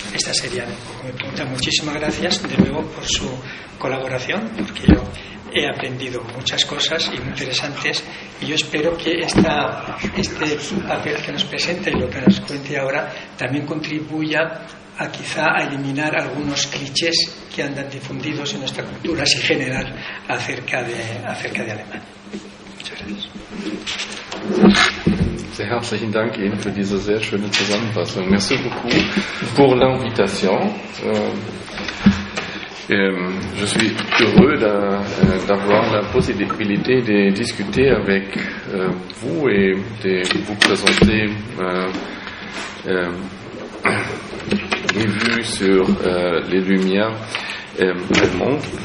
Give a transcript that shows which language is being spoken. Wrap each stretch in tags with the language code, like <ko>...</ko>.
<es>Esta sería mi pregunta. Muchísimas gracias de nuevo por su colaboración, porque yo he aprendido muchas cosas y muy interesantes, y yo espero que este papel que nos presenta y lo que nos cuente ahora también contribuya a quizá a eliminar algunos clichés que andan difundidos en nuestra cultura así general acerca de Alemania. Muchas gracias.</es> <de>Sehr herzlichen Dank Ihnen für diese sehr schöne Zusammenfassung.</de> <fr>Merci beaucoup pour l'invitation. Je suis heureux d'avoir la possibilité de discuter avec vous et de vous présenter les vues sur les lumières allemandes.</fr>